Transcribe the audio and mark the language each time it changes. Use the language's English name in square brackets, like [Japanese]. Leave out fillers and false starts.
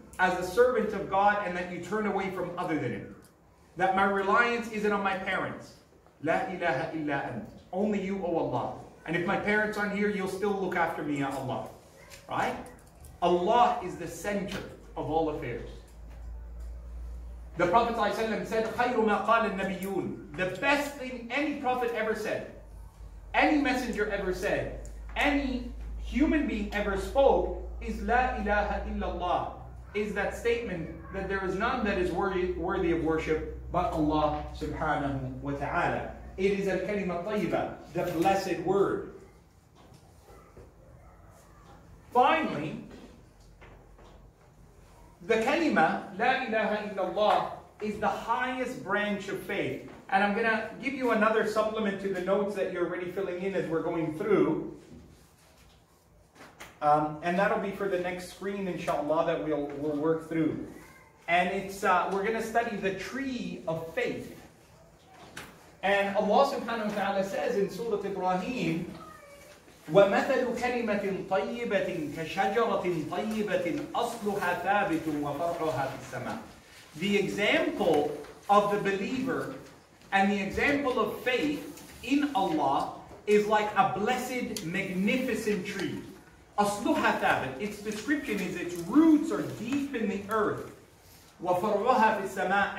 [English] as a servant of God and that you turn away from other than Him. That my reliance isn't on my parents. La ilaha illa ant. Only you, O Allah. And if my parents aren't here, you'll still look after me, Ya Allah. Right? Allah is the center of all affairs. The Prophet ﷺ said, [Arabic] خَيْرُ مَا قَالَ النَّبِيُّونَ. [English] The best thing any Prophet ever said, any messenger ever said, any human being ever spoke, is La ilaha illallah. Is that statement that there is none that is worthy of worship but Allah subhanahu wa ta'ala. It is al-kalima tayyiba, the blessed word. Finally, the kalima, La ilaha illallah, is the highest branch of faith. And I'm going to give you another supplement to the notes that you're already filling in as we're going through. And that'll be for the next screen, inshallah, that we'll work through. And it's we're going to study the tree of faith. [Arabic] And Allah subhanahu wa ta'ala says in Surah Ibrahim, وَمَثَلُ كَلِمَةٍ طَيِّبَةٍ كَشَجَرَةٍ طَيِّبَةٍ أَصْلُهَا ثَابِتٌ وَفَرْعُهَا فِي السَّمَاءِ. [English] The example of the believer and the example of faith in Allah is like a blessed, magnificent tree. [Arabic] أَصْلُهَا ثَابِتٌ. [English] Its description is its roots are deep in the earth. [Arabic] وَفَرْعُهَا فِي السَّمَاءِ.